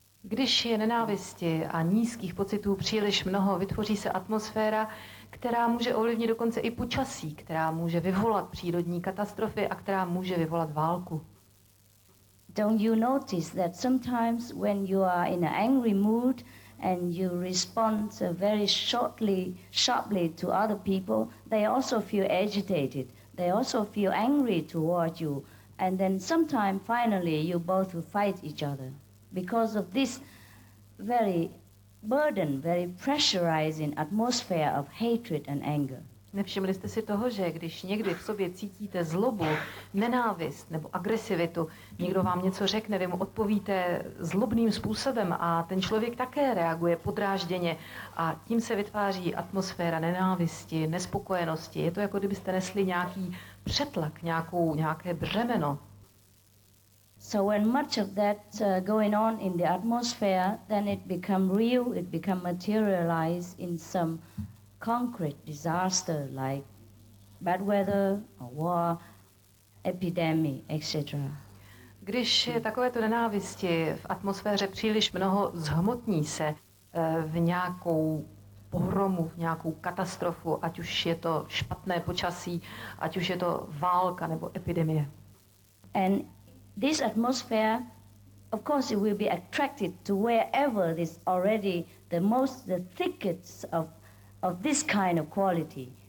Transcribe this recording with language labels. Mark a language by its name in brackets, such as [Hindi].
[Czech] Když je nenávisti a nízkých pocitů příliš mnoho, vytvoří se atmosféra, která může ovlivnit dokonce i počasí, která může vyvolat přírodní katastrofy a která může vyvolat válku. [English] Don't you notice that sometimes when you are in an angry mood and you respond very sharply to other people, they also feel agitated. They also feel angry toward you. And then sometime finally you both will fight each other. Because of this very burden, very pressurizing atmosphere of hatred and anger. [Czech] Nevšimli jste si toho, že když někdy v sobě cítíte zlobu, nenávist nebo agresivitu, někdo vám něco řekne, vy mu odpovíte zlobným způsobem a ten člověk také reaguje podrážděně a tím se vytváří atmosféra nenávisti, nespokojenosti. Je to jako kdybyste nesli nějaký přetlak, nějaké břemeno. [English] So when much of that going on in the atmosphere, then it become real, it become materialized in some concrete disaster like bad weather, a war, epidemic, etc. [Czech] Když je takovéto nenávisti v atmosféře příliš mnoho, zhmotní se v nějakou pohromu, v nějakou katastrofu, ať už je to špatné počasí, ať už je to válka nebo epidemie. [English] And this atmosphere, of course, it will be attracted to wherever this already the thickets of this kind of quality.